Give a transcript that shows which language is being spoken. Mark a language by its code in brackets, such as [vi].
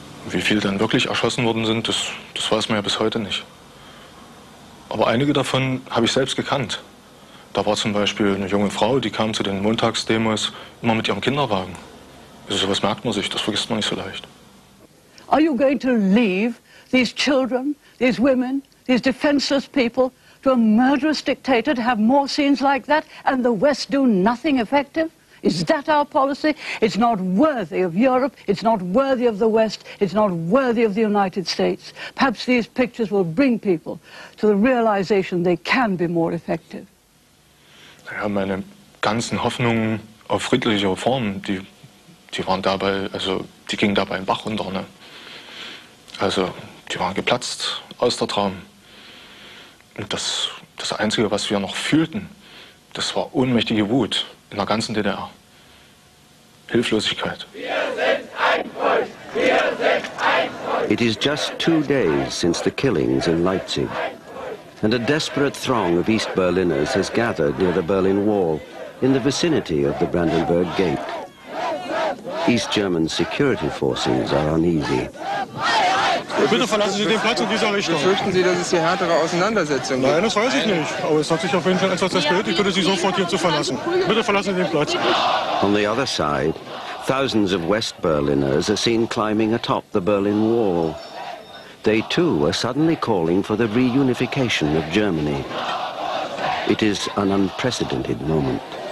[de] Wie viele dann wirklich erschossen worden sind, das weiß man ja bis heute nicht. Aber einige davon habe ich selbst gekannt. Da war zum Beispiel eine junge Frau, die kam zu den Montagsdemos immer mit ihrem Kinderwagen. Also sowas merkt man sich, das vergisst man nicht so leicht. [en] Are you going to leave these children, these women, these defenseless people to a murderous dictator to have more scenes like that and the West do nothing effective? Is that our policy? It's not worthy of Europe, it's not worthy of the West, it's not worthy of the United States. Perhaps these pictures will bring people to the realization they can be more effective. [de] Ja, meine ganzen Hoffnungen auf friedliche Reformen, die waren dabei, also die gingen dabei in den Bach runter, ne? Also die waren geplatzt aus der Traum. Und das Einzige, was wir noch fühlten, das war ohnmächtige Wut in der ganzen DDR. Hilflosigkeit. [en] It is just 2 days since the killings in Leipzig. And a desperate throng of East Berliners has gathered near the Berlin Wall, in the vicinity of the Brandenburg Gate. East German security forces are uneasy. [de] Bitte verlassen Sie den Platz in dieser Richtung. Befürchten Sie, dass es hier härtere Auseinandersetzungen gibt? Nein, das weiß ich nicht. Aber es hat sich auf jeden Fall etwas verspätet. Ich bitte Sie sofort hier zu verlassen. Bitte verlassen Sie den Platz. [en] On the other side, thousands of West Berliners are seen climbing atop the Berlin Wall. They too are suddenly calling for the reunification of Germany. It is an unprecedented moment.